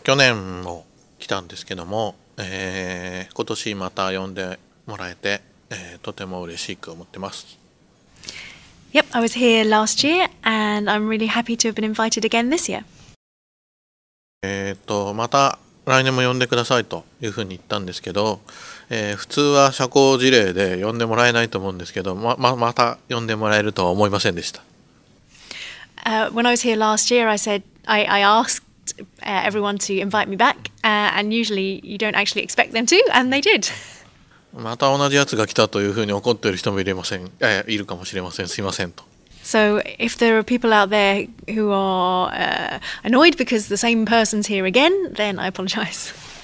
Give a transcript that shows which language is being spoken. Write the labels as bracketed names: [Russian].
[Japanese] 去年も来たんですけども、今年また呼んでもらえて、とても嬉しく思ってます。 [English] Yep, I was here last year, and I'm really happy to have been invited again this year. [Japanese] また来年も呼んでくださいというふうに言ったんですけど、普通は社交辞令で呼んでもらえないと思うんですけど、また呼んでもらえるとは思いませんでした。 [English] When I was here last year, I asked everyone to invite me back, and usually you don't actually expect them to, and they did. [Japanese] また同じやつが来たというふうに怒っている人もいれません、いるかもしれません。すいませんと。 [English] So if there are people out there who are annoyed because the same person's here again, then I apologize.